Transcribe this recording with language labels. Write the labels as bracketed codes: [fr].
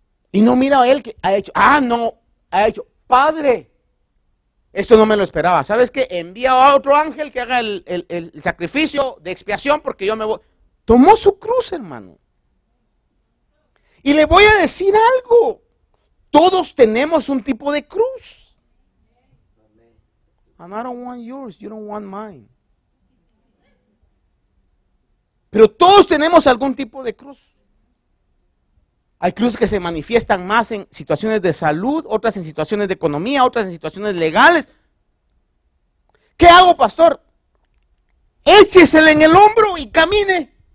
[es] Y no mira a él que ha hecho, ah, no, ha hecho, Padre, esto no me lo esperaba. ¿Sabes qué? Envía a otro ángel que haga el sacrificio de expiación porque yo me voy. Tomó su cruz, hermano. Y le voy a decir algo. Todos tenemos un tipo de cruz. [en] And I don't want yours, you don't want mine. [es] Pero todos tenemos algún tipo de cruz. Hay cruces que se manifiestan más en situaciones de salud, otras en situaciones de economía, otras en situaciones legales. ¿Qué hago, pastor? Échesele en el hombro y camine.